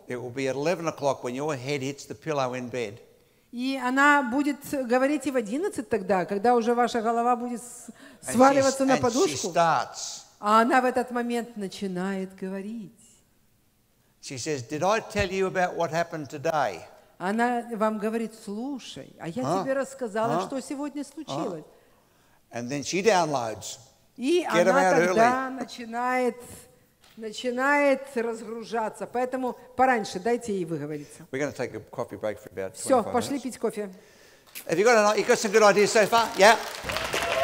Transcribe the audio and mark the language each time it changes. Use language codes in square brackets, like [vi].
[en] it will be at 11 o'clock when your head hits the pillow in bed. [ru] И она будет говорить и в 11 тогда, когда уже ваша голова будет сваливаться на подушку. [en] And she starts. [ru] А она в этот момент начинает говорить. [en] She says, "Did I tell you about what happened today?" [ru] Она вам говорит: "Слушай, а я тебе рассказала, что сегодня случилось." [en] And then she downloads. [ru] И [en] get [ru] она тогда [en] early. [ru] начинает разгружаться. Поэтому пораньше дайте ей выговориться. [en] We're going to take a coffee break for about 25 [ru] Все, пошли пить кофе. [en] Have you got some good ideas so far? Yeah.